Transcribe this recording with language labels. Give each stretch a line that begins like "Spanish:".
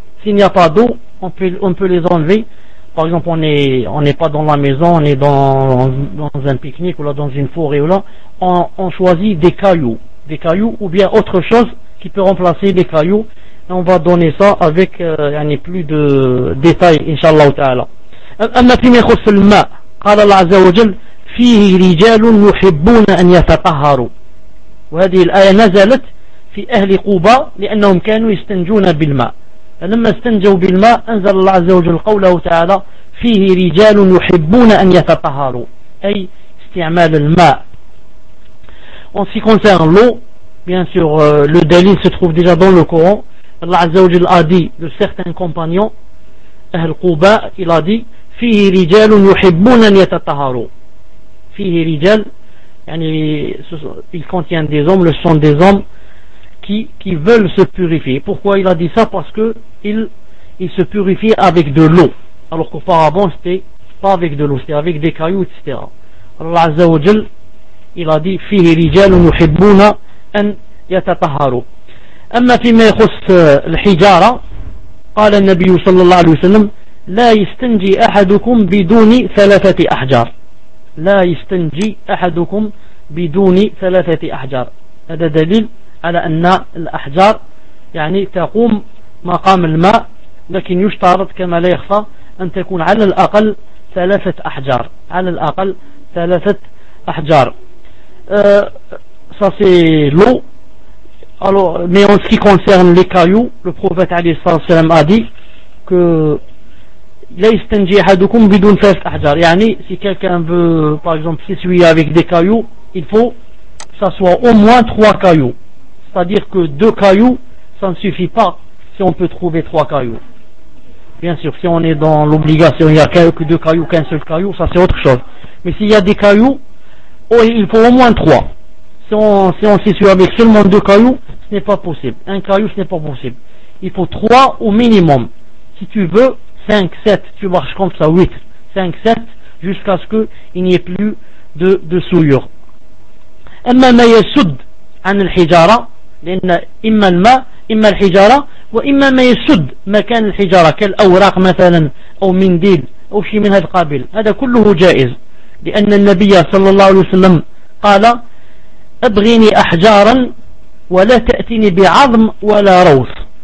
French: S'il n'y a pas d'eau, on peut les enlever. Par exemple, on n'est pas dans la maison, on est dans un pique-nique ou là dans une forêt ou là, on choisit des cailloux ou bien autre chose qui peut remplacer des cailloux. Et on va donner ça avec yani plus de détails inshallah ta'ala.
Arabic: أما فيما يخص الماء قال الله عز وجل فيه رجال يحبون أن يتطهروا. وهذه الآية نزلت في أهل قباء لأنهم كانوا يستنجون بالماء، فلما استنجوا بالماء أنزل الله عز وجل قوله تعالى فيه رجال يحبون أن يتطهروا، أي استعمال الماء.
French: En ce qui concerne l'eau, bien sûr le dalil se trouve déjà dans le Coran. Allah عز وجل a dit de certains compagnons أهل قباء، il a dit
Arabic: فيه رجال يحبون أن يتطهروا. فيه رجال يعني
French: il contient des hommes, le sont des hommes qui veulent se purifier. Pourquoi il a dit ça? Parce que il se purifient avec de l'eau, alors qu'auparavant c'était pas avec de l'eau, c'était avec des cailloux etc. Allah عز وجل il a dit
Arabic: فيه رجال يحبون أن يتطهروا. أما فيما يخص الحجارة قال النبي صلى الله عليه وسلم لا يستنجي أحدكم بدون ثلاثة أحجار. لا يستنجي أحدكم بدون ثلاثة أحجار، هذا دليل على أن الأحجار يعني تقوم مقام الماء، لكن يشترط كما لا يخفى أن تكون على الأقل ثلاثة أحجار، على الأقل ثلاثة أحجار. صافي لو
French: alors mais en ce qui concerne les cailloux, le prophète عليه الصلاة والسلام a dit que
Arabic: لا يستنجي أحدكم بدون ثلاثة أحجار.
French: يعني si quelqu'un veut par exemple s'essuyer avec des cailloux, il faut que ça soit au moins trois cailloux. C'est-à-dire que deux cailloux, ça ne suffit pas si on peut trouver trois cailloux. Bien sûr, si on est dans l'obligation, il n'y a que deux cailloux, qu'un seul caillou, ça c'est autre chose. Mais s'il y a des cailloux, oh, il faut au moins trois. Si on s'essuie avec seulement deux cailloux, ce n'est pas possible. Un caillou, ce n'est pas possible. Il faut trois au minimum. Si tu veux, 5-7, tu marches comme ça, 8, 5-7, jusqu'à ce qu'il n'y ait plus de souillure.
Arabic: أما ما يسد عن الحجارة، لأن إما الماء إما الحجارة، وإما ما يسد مكان الحجارة كالأوراق مثلا أو منديل أو شيء من هذا القبيل، هذا كله جائز، لأن النبي صلى الله عليه وسلم قال أبغني أحجارا ولا تأتني بعظم ولا روث.